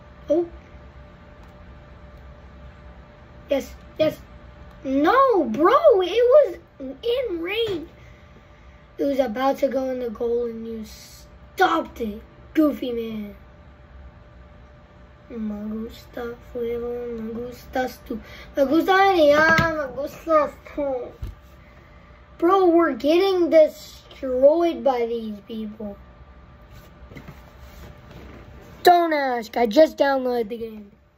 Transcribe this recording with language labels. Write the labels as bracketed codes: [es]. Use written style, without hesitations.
[en] Oh. Yes. No, bro. It was in range. It was about to go in the goal and you stopped it. Goofy man. [es] Me gusta fuego, me gustas tú. Me gusta venir, me gustas tú. [en] Bro, we're getting destroyed by these people. Don't ask, I just downloaded the game.